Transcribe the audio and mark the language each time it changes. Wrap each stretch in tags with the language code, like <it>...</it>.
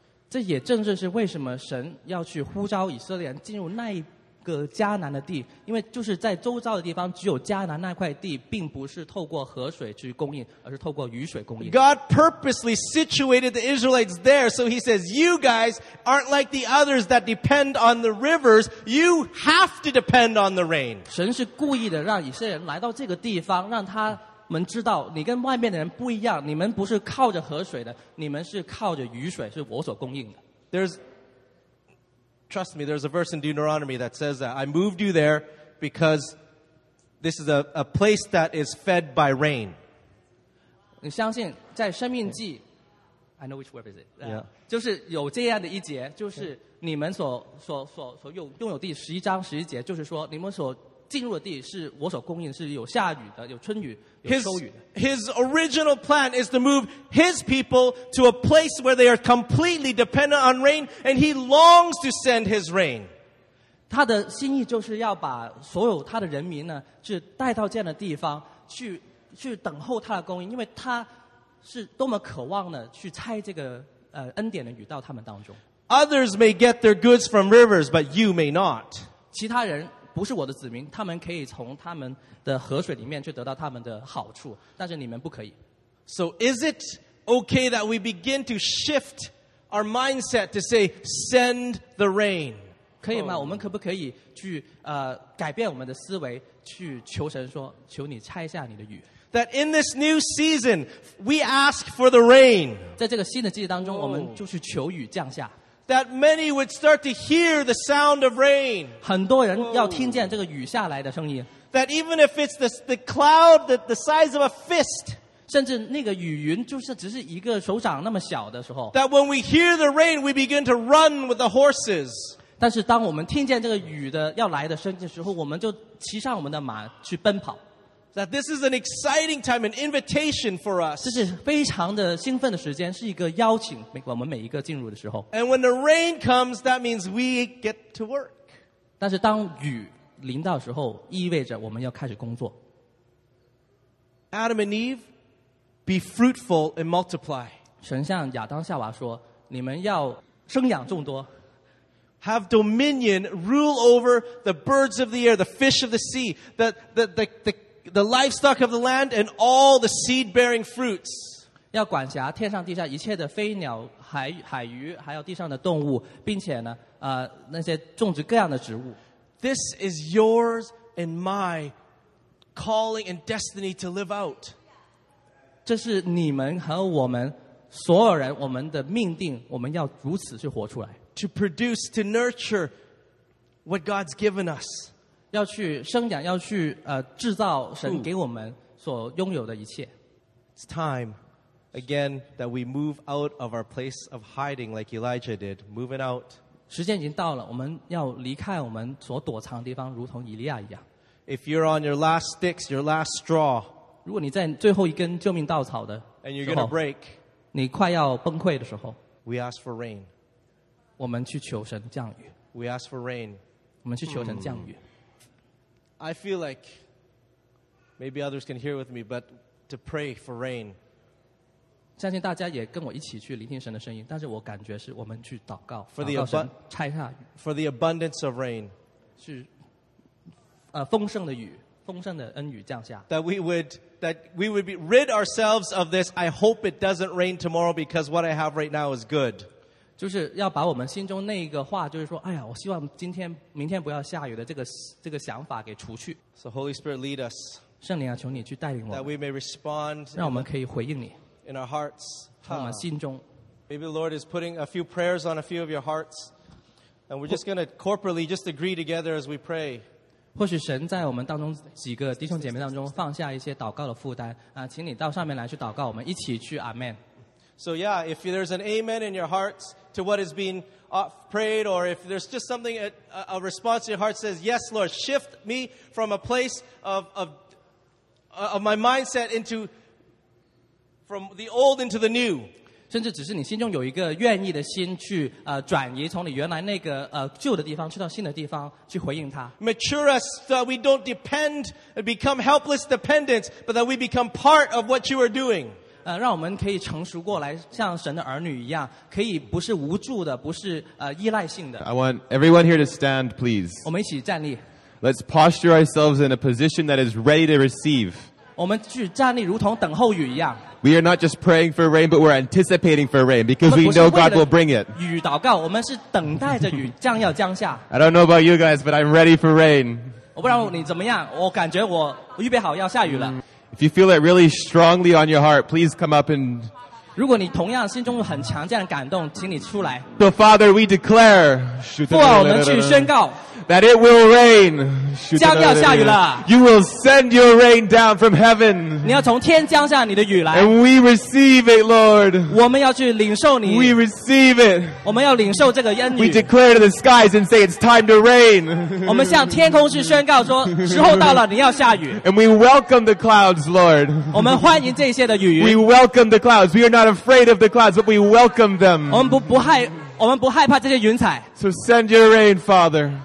<zh>这也正是为什么神要去呼召以色列人进入那一个迦南的地，因为就是在周遭的地方，只有迦南那块地，并不是透过河水去供应，而是透过雨水供应。</zh> <en>God purposely situated the Israelites there, so He says, "You guys aren't like the others that depend on the rivers. You have to depend on the rain."</en> <zh>神是故意的，让以色列人来到这个地方，让他们知道，你跟外面的人不一样，你们不是靠着河水的，你们是靠着雨水，是我所供应的。</zh> <en>Trust me, there's a verse in Deuteronomy that says that I moved you there because this is a place that is fed by rain.</en> <zh>你相信在生命记 ，</zh> <en>I know which verse is it.</en> <zh>就是有这样的一节，就是你们所拥有第十一章十一节，就是说你们所进入的地是我所供应，是有下雨的，有春雨，有收雨的。</zh> <en>His original plan is to move his people to a place where they are completely dependent on rain, and he longs to send his rain.</en> <zh>他的心意就是要把所有他的人民呢，是带到这样的地方去等候他的供应，因为他是多么渴望呢，去拆这个恩典的雨到他们当中。</zh> <en>Others may get their goods from rivers, but you may not.</en> <zh>其他人不是我的子民，他们可以从他们的河水里面去得到他们的好处，但是你们不可以。</zh> <en>So is it okay that we begin to shift our mindset to say, send the rain?</en> <zh>可以吗？ Oh. 我们可不可以去改变我们的思维，去求神说，求你拆下你的雨。</zh> <en>That in this new season, we ask for the rain.</en> <zh>在这个新的季节当中， oh. 我们就去求雨降下。</zh> <en>That many would start to hear the sound of rain.</en> <zh>很多人要听见这个雨下来的声音。</zh> <en>That even if it's the cloud that the size of a fist,</en> <zh>甚至那个雨云就是只是一个手掌那么小的时候。</zh> <en>That when we hear the rain, we begin to run with the horses.</en> <zh>但是当我们听见这个雨的要来的声音的时候，我们就骑上我们的马去奔跑。</zh> <en>That this is an exciting time, an invitation for us.</en> <zh>这是非常的兴奋的时间，是一个邀请我们每一个进入的时候。</zh> <en>And when the rain comes, that means we get to work.</en> <zh>但是当雨临到时候，意味着我们要开始工作。</zh> <en>Adam and Eve, be fruitful and multiply.</en> <zh>神向亚当夏娃说，你们要生养众多。</zh> <en>Have dominion, rule over the birds of the air, the fish of the sea, the livestock of the land and all the seed-bearing fruits.</en> <zh>要管辖天上地下一切的飞鸟、海鱼，还有地上的动物，并且呢，那些种植各样的植物。</zh> <en>This is yours and my calling and destiny to live out.</en> <zh>这是你们和我们所有人，我们的命定，我们要如此去活出来。</zh> <en>To produce, to nurture what God's given us.</en> <zh>要去生养，要去制造神给我们所拥有的一切。</zh> <en>It's time again that we move out of our place of hiding like Elijah did, moving out.</en> <zh>时间已经到了，我们要离开我们所躲藏的地方，如同以利亚一样。</zh> <en>If you're on your last sticks, your last straw,</en> <zh>如果你在最后一根救命稻草的时候</zh> <en>and you're going to break,</en> <zh>你快要崩溃的时候</zh> <en>we ask for rain.</en> <zh>我们去求神降雨</zh> <en>we ask for rain.</en> <zh>我们去求神降雨</zh> <en>I feel like maybe others can hear with me, but to pray for rain.</en> <zh>相信大家也跟我一起去聆听神的声音，但是我感觉是我们去祷告，祷告神拆下雨</zh> <en>for the abundance of rain.</en> <zh>是丰盛的雨丰盛的恩雨降下</zh> <en>that we would be rid ourselves of this I hope it doesn't rain tomorrow because what I have right now is good</en> <zh>就是要把我们心中那个话就是说哎呀我希望今天明天不要下雨的这个想法给除去</zh> <en>so Holy Spirit lead us</en> <zh>圣灵啊求你去带领我</zh> <en>that we may respond</en> <zh>让我们可以回应你</zh> <en>in our hearts</en> <zh>从我们心中</zh> <en>maybe the Lord is putting a few prayers on a few of your hearts and we're just going to corporately just agree together as we pray</en> <zh>或许神在我们当中几个弟兄姐妹当中放下一些祷告的负担啊，请你到上面来去祷告，我们一起去阿门。</zh> <en>So yeah, if there's an amen in your hearts to what is being prayed, or if there's just something a response in your heart says, "Yes, Lord, shift me from a place of my mindset into from the old into the new."</en> <zh>甚至只是你心中有一个愿意的心去转移从你原来那个旧的地方去到新的地方去回应他</zh> <en>Mature us so that we don't depend and become helpless dependents but that we become part of what you are doing</en> <zh>让我们可以成熟过来像神的儿女一样可以不是无助的不是依赖性的</zh> <en>I want everyone here to stand please</en> <zh>我们一起站立</zh> <en>Let's posture ourselves in a position that is ready to receive</en> <zh>我们去站立如同等候雨一样</zh> <en>We are not just praying for rain, but we're anticipating for rain because we know God will bring it. I don't know about you guys, but I'm ready for rain.</en> <zh>我不知道你怎么样，我感觉我预备好要下雨了。</zh> <en>If you feel it really strongly on your heart, please come up and.</en> <zh>如果你同样心中很强这样的感动，请你出来。</zh> <en>So Father, we declare.</en> <zh>父啊，我们去宣告。</zh> <en>That it will rain.</en> <zh>将要下雨了。</zh> <en>You will send your rain down from heaven.</en> <zh>你要从天降下你的雨来。</zh> <en>And we receive it, Lord.</en> <zh>我们要去领受你。</zh> <en>We receive it.</en> <zh>我们要领受这个恩雨。</zh> <en>We declare to the skies and say it's time to rain.</en> <zh>我们向天空去宣告说时候到了你要下雨。</zh> <en>And we welcome the clouds, Lord.</en> <zh>我们欢迎这些的雨。</zh> <en>We welcome the clouds. We are not afraid of the clouds, but we welcome them.</en> <zh>我们不害怕这些云彩。</zh> <en>So send your rain, Father.</en>